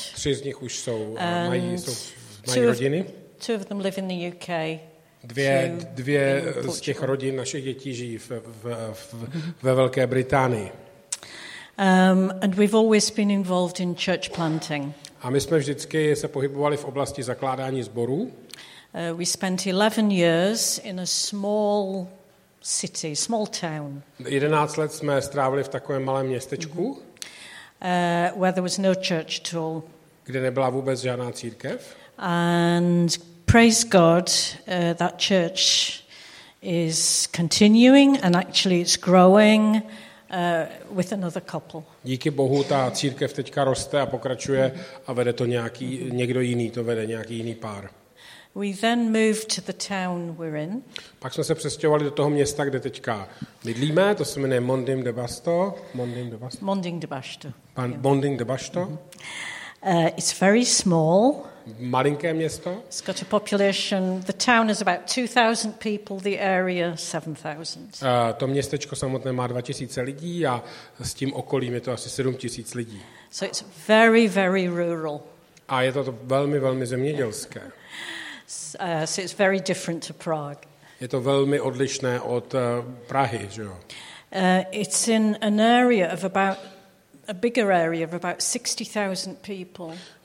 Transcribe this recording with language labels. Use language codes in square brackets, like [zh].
[cs] 3 z nich už jsou mají rodiny. [en] 2 of them live in the UK. [cs] Dvě z těch rodin našich dětí žijí ve Velké Británii. [en] And we've always been involved in church planting. [cs] A my jsme vždycky se pohybovali v oblasti zakládání sborů. [en] We spent 11 years in a small city, small town. [cs] 11 let jsme strávili v takovém malém městečku. [en] Where there was no church at all. [cs] Kde nebyla vůbec žádná církev. [en] And praise God, that church is continuing and actually it's growing. With another couple. [cs] Díky Bohu ta církev teďka roste a pokračuje a vede to nějaký někdo jiný, to vede nějaký jiný pár. [en] We then moved to the town we're in. [cs] Pak jsme se přestěhovali do toho města, kde teďka bydlíme, to se jmenuje Mondim de Basto. Mondim de Basto. [en] It's very small. [cs] Malinké město. [en] It's got a population. The town is about 2,000 people. The area 7,000. [cs] To městečko samotné má 2,000 lidí a s tím okolím je to asi 7,000 lidí. [en] So it's very, very rural. [cs] A je to velmi, velmi zemědělské. [en] So it's very different to Prague. [cs] Je to velmi odlišné od Prahy, že jo? [en] It's in an area of about a bigger area of about 60,000 people.